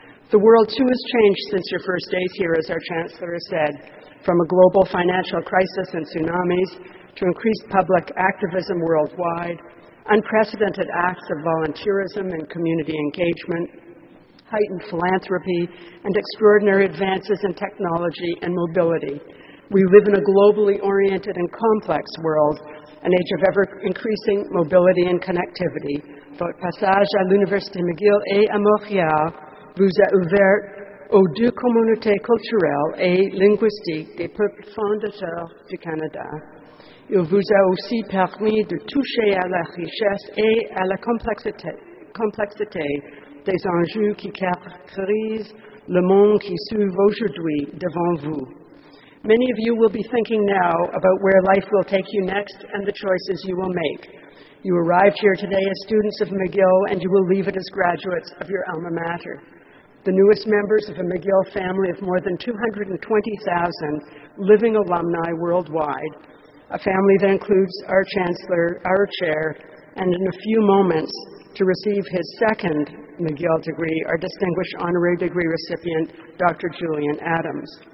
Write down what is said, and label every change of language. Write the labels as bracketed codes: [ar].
[en] The world, too, has changed since your first days here, as our Chancellor has said, from a global financial crisis and tsunamis to increased public activism worldwide, unprecedented acts of volunteerism and community engagement, heightened philanthropy, and extraordinary advances in technology and mobility. We live in a globally oriented and complex world, an age of ever-increasing mobility and connectivity. [fr] Votre passage à l'Université McGill et à Montréal vous a ouvert aux deux communautés culturelles et linguistiques des peuples fondateurs du Canada. Il vous a aussi permis de toucher à la richesse et à la complexité des enjeux qui caractérisent le monde qui s'ouvre aujourd'hui devant vous. [en] Many of you will be thinking now about where life will take you next and the choices you will make. You arrived here today as students of McGill, and you will leave it as graduates of your alma mater. The newest members of a McGill family of more than 220,000 living alumni worldwide, a family that includes our Chancellor, our Chair, and in a few moments to receive his second McGill degree, our distinguished honorary degree recipient, Dr. Julian Adams.